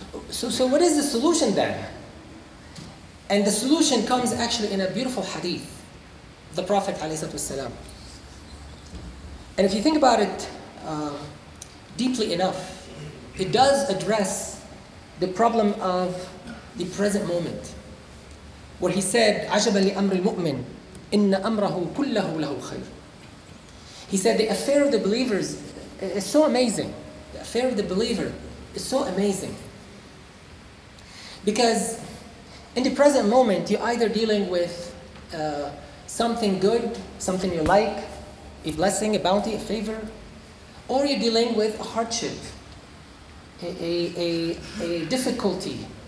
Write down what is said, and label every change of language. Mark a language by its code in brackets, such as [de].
[en] So what is the solution then? And the solution comes actually in a beautiful hadith, the Prophet ﷺ. And if you think about it deeply enough, it does address the problem of the present moment. Where he said, [ar] عَجَبَ لِأَمْرِ الْمُؤْمِنِ إِنَّ أَمْرَهُ كُلَّهُ لَهُ خَيْرٌ. [en] He said, the affair of the believers is so amazing. The affair of the believer is so amazing. Because in the present moment, you're either dealing with something good, something you like, a blessing, a bounty, a favor, or you're dealing with a hardship, a difficulty.